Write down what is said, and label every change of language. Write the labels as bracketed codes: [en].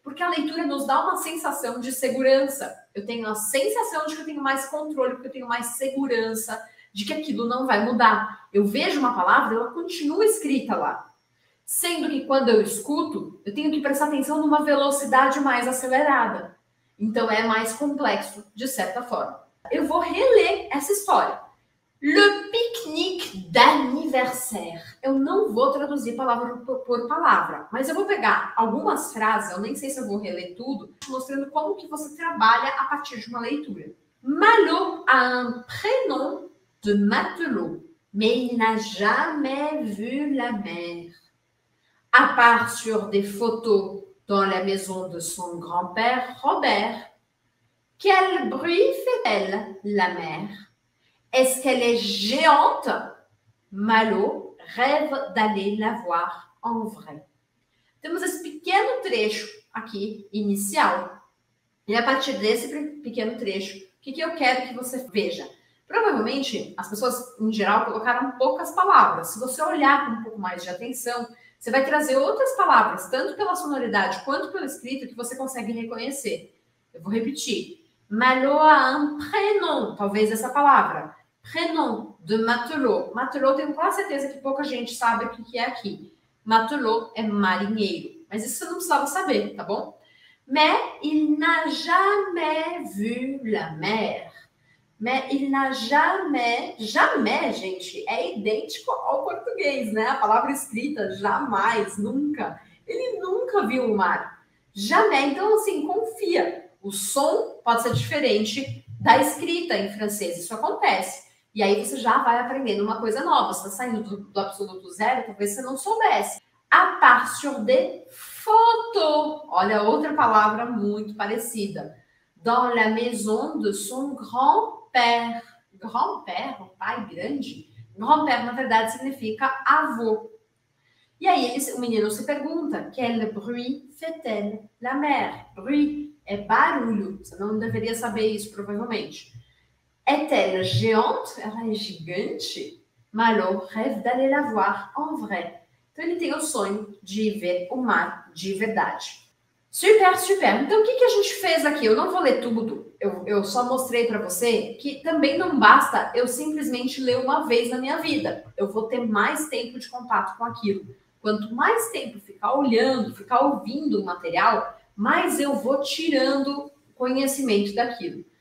[pt] Porque a leitura nos dá uma sensação de segurança. Eu tenho a sensação de que eu tenho mais controle, porque eu tenho mais segurança de que aquilo não vai mudar. Eu vejo uma palavra, ela continua escrita lá. Sendo que quando eu escuto, eu tenho que prestar atenção numa velocidade mais acelerada. Então é mais complexo, de certa forma. Eu vou reler essa história. [fr] Le pique-nique d'anniversaire. [pt] Eu não vou traduzir palavra por palavra, mas eu vou pegar algumas frases, eu nem sei se eu vou reler tudo, mostrando como que você trabalha a partir de uma leitura. [fr] Malo a un prénom de matelot, mais il n'a jamais vu la mer. À part sur des photos dans la maison de son grand-père Robert, quel bruit fait-elle, la mer? Est-ce qu'elle est géante? Malo rêve d'aller la voir en vrai. [pt] Temos esse pequeno trecho aqui, inicial. E a partir desse pequeno trecho, o que eu quero que você veja? Provavelmente, as pessoas, em geral, colocaram poucas palavras. Se você olhar com um pouco mais de atenção, você vai trazer outras palavras, tanto pela sonoridade quanto pelo escrito, que você consegue reconhecer. Eu vou repetir. [fr] Malo a un prénom, [pt] talvez essa palavra. [fr] Prénom de matelot. [pt] Matelot, tenho quase certeza que pouca gente sabe o que é aqui. Matelot é marinheiro. Mas isso você não precisava saber, tá bom? [fr] Mais il n'a jamais vu la mer. Mais il n'a jamais, jamais, [pt] gente, é idêntico ao português, né? A palavra escrita, jamais, nunca. Ele nunca viu o mar. Jamais, então assim, confia. O som pode ser diferente da escrita em francês, isso acontece. E aí você já vai aprendendo uma coisa nova, você está saindo do absoluto zero, talvez você não soubesse. A partir de photo, olha outra palavra muito parecida. [fr] Dans la maison de son grand-père. [pt] Grand-père, um pai grande. Grand-père, na verdade, significa avô. E aí o menino se pergunta, [fr] quel bruit fait-elle la mer? [pt] Bruit é barulho, você não deveria saber isso, provavelmente. [fr] Est-elle géante? [pt] Ela é gigante? [fr] Malo rêve d'aller la voir en vrai. [pt] Então ele tem o sonho de ver o mar de verdade. Super, super. Então o que a gente fez aqui? Eu não vou ler tudo, eu só mostrei para você que também não basta eu simplesmente ler uma vez na minha vida. Eu vou ter mais tempo de contato com aquilo. Quanto mais tempo ficar olhando, ficar ouvindo o material, mais eu vou tirando conhecimento daquilo.